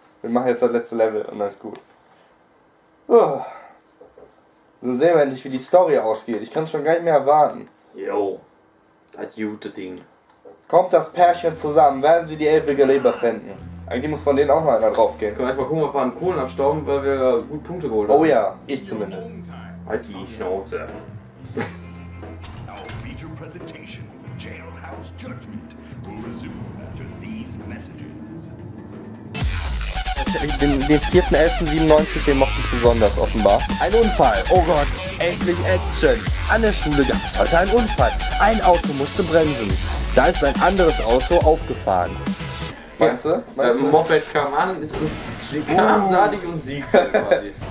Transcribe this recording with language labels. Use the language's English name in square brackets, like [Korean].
[German] Wir machen jetzt das letzte Level und dann ist gut. Dann sehen wir endlich, wie die Story ausgeht. Ich kann es schon gar nicht mehr erwarten. Jo, das gute Ding. Kommt das Pärchen zusammen, werden sie die elfige Leber finden. Eigentlich muss von denen auch mal einer drauf gehen. Können wir erstmal gucken, ob wir an Kohlen abstauben, weil wir gut Punkte geholt haben. Oh ja, ich zumindest. Halt die Schnauze. [English] Our feature presentation, Jailhouse Judgment, will resume after these messages. [German] Den 4.11.97, den mochte ich besonders, offenbar. Ein Unfall, oh Gott, endlich Action. An der Schule gab es heute einen Unfall. Ein Auto musste bremsen. Da ist ein anderes Auto aufgefahren. Meinst du? Meinst du? Moped kam an, ist gnadig und siegte quasi.